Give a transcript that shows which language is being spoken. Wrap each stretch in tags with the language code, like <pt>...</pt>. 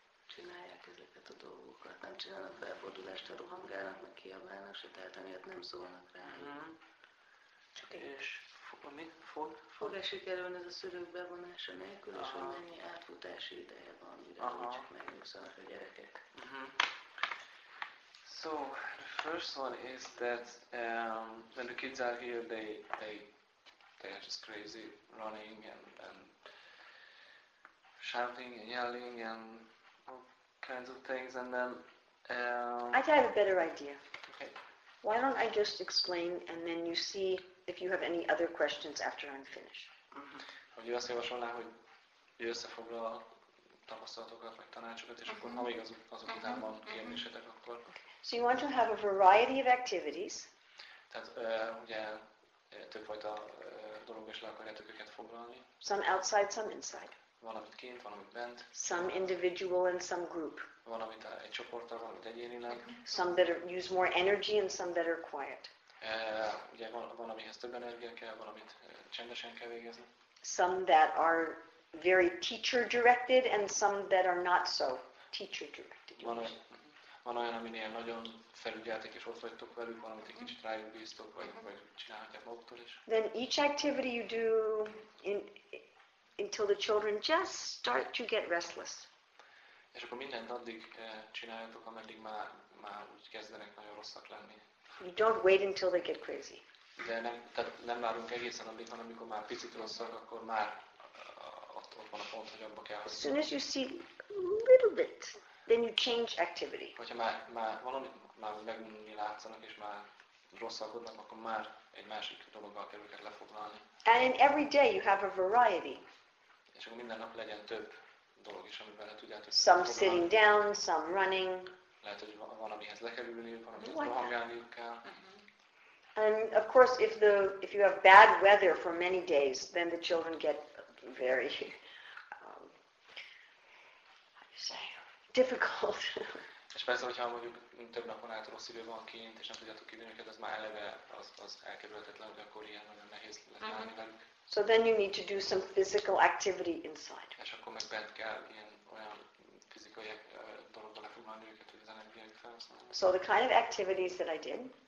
<hu>Csinálják ezeket a dolgokat, nem csinálnak felfordulást, ha rohangálnak, meg kiabálnak se, tehát emiatt nem szólnak rá. Csak egy. És fog? Fog-e sikerülni ez a szülők bevonása nélkül, és hogy mennyi átfutási ideje van, mire csak megnyugszanak a gyerekek.</hu> <en>So, the first one is that when the kids are here, they are just crazy, running and shouting and yelling and all kinds of things, and then... I have a better idea. Okay. Why don't I just explain, and then you see if you have any other questions after I'm finished.</en> <hu>Hogy azt javasolná, hogy ő összefoglal tapasztalatokat, vagy tanácsokat, és akkor ha még azok után van kérdésetek, akkor...</hu> <en>So you want to have a variety of activities.</en> <hu>Tehát ugye... többfajta dolog, és le akarjátok őket foglalni.</hu> <en>Some outside, some inside.</en> <hu>Valamit kint, valamit bent.</hu> <en>Some individual and some group.</en> <hu>Van, amit egy csoportra van, egy egyénileg.</hu> <en>Some that are, use more energy and some that are quiet.</en> <hu>Ugye van, amihez több energia kell, van, amit csendesen kell végezni.</hu> <en>Some that are very teacher-directed and some that are not so teacher-directed.</en> <hu>Van olyan, aminél nagyon felügyeltek és ott vagytok velük, van, amit egy kicsit rájuk bíztok, vagy csinálhatják maguktól is.</hu> <en>Then each activity you do until the children just start to get restless.</en> <hu>És akkor mindent addig csináljátok, ameddig már úgy kezdenek nagyon rosszak lenni.</hu> <en>You don't wait until they get crazy.</en> <hu>De nem várunk egészen addig, hanem amikor már picit rosszak, akkor már ott van a pont, hogy abba kell.</hu> <en>As soon as you see a little bit, then you change activity.</en> <hu>Hogyha már valami már megmondani látszanak, és már rosszalkodnak, akkor már egy másik dologgal kell őket lefoglalni.</hu> <en>And in every day you have a variety.</en> <hu>És akkor minden nap legyen több dolog is, amiben le tudják.</hu> <en>Some sitting down, some running.</en> <hu>Lehet, hogy van, amihez le kell ülni, van, amihez rohangálniuk kell.</hu> <en>And of course, if you have bad weather for many days, then the children get very, difficult.</en> <hu>És persze, hogyha mondjuk több napon át rossz idő van kint, és nem tudjátok kívülni őket, az már eleve az elkerülhetetlen, hogy akkor ilyen nagyon nehéz lehet állni velük.</hu> <en>So then you need to do some physical activity inside.</en> <hu>És akkor meg bent kell ilyen olyan fizikai dologba lefoglalni őket, hogy az energiájuk felhasználni.</hu> <en>So the kind of activities that I did.</en>